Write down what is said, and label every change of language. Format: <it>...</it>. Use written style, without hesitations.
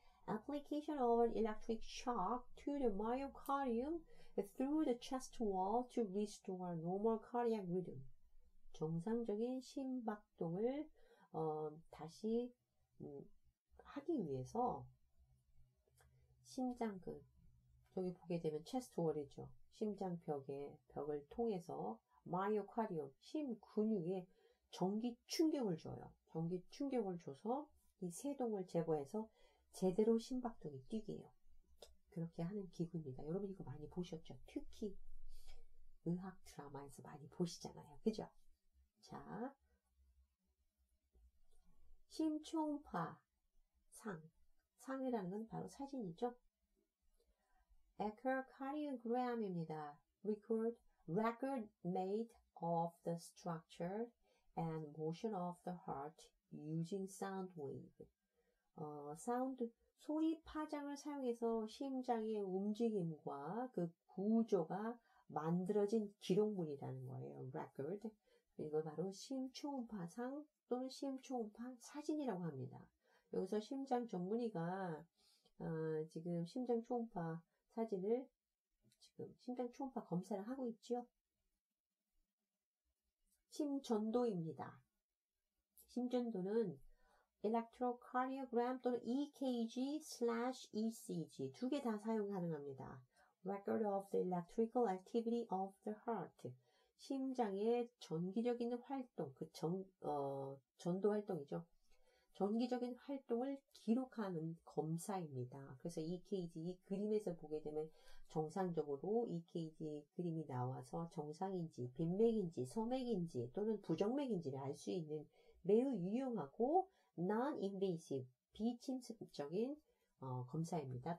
<en>Application of an electric shock to the myocardium through the chest wall to restore normal cardiac rhythm.</en> <ko>정상적인 심박동을 다시 하기 위해서 심장 그 여기 보게 되면 체스트 월이죠. 심장 벽에 벽을 통해서 마이오카디움 심근육에 전기 충격을 줘요. 전기 충격을 줘서 이 세동을 제거해서 제대로 심박동이 뛰게요. 그렇게 하는 기구입니다. 여러분 이거 많이 보셨죠? 특히 의학 드라마에서 많이 보시잖아요. 그죠? 자, 심초음파 상. 상이라는 건 바로 사진이죠. Echocardiogram입니다.</ko> <en>Record made of the structure and motion of the heart using sound wave.</en> <ko>사운드 소리 파장을 사용해서 심장의 움직임과 그 구조가 만들어진 기록물이라는 거예요.</ko> <en>Record.</en> <ko>이거 바로 심초음파상 또는 심초음파 사진이라고 합니다. 여기서 심장 전문의가 지금 심장 초음파 사진을 지금 심장 초음파 검사를 하고 있지요. 심전도입니다. 심전도는 electrocardiogram 또는 EKG/ECG 두 개 다 사용 가능합니다.</ko> <en>Record of the electrical activity of the heart.</en> <ko>심장의 전기적인 활동, 전도 활동이죠. 전기적인 활동을 기록하는 검사입니다. 그래서 EKG 이 그림에서 보게 되면 정상적으로 EKG 그림이 나와서 정상인지, 빈맥인지, 소맥인지 또는 부정맥인지를 알수 있는 매우 유용하고 non-invasive, 비침습적인 검사입니다.</ko>